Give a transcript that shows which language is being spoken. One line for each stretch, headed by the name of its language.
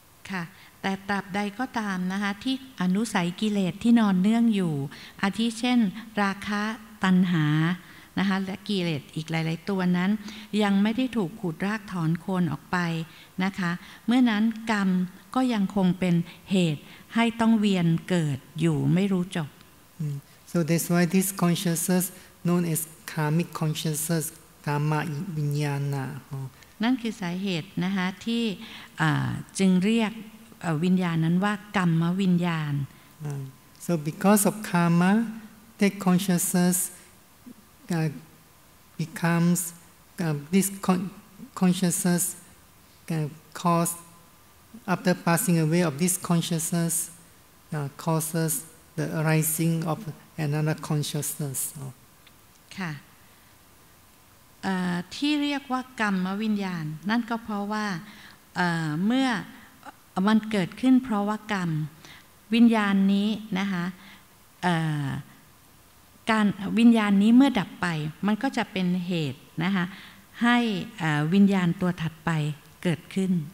Thai: ค่ะแต่ตราบใดก็ตามนะคะที่อนุสัยกิเลสที่นอนเนื่องอยู่อาทิเช่นราคะตัณหานะคะและกิเลสอีกหลายๆตัวนั้นยังไม่ได้ถูกขูดรากถอนโคนออกไปนะคะเมื่อนั้นกรรมก็ยังคงเป็นเหตุให้ต้องเวียนเกิดอยู่ไม่รู้จบ
English: So that's why this consciousness known as karmic consciousness karma vijnana
Thai: นั่นคือสาเหตุนะคะที่จึงเรียกวิญญาณนั้นว่ากรรมวิญญาณ
English: So because of karma that consciousness becomes this consciousness caused after passing away of this consciousness causes the arising of another consciousness
Thai: ค่ะที่เรียกว่ากรรมวิญญาณนั่นก็เพราะว่าเมื่อมันเกิดขึ้นเพราะว่ากรรมวิญญาณนี้นะคะการวิญญาณนี้เมื่อดับไปมันก็จะเป็นเหตุนะคะให้วิญญาณตัวถัดไปเกิดขึ้น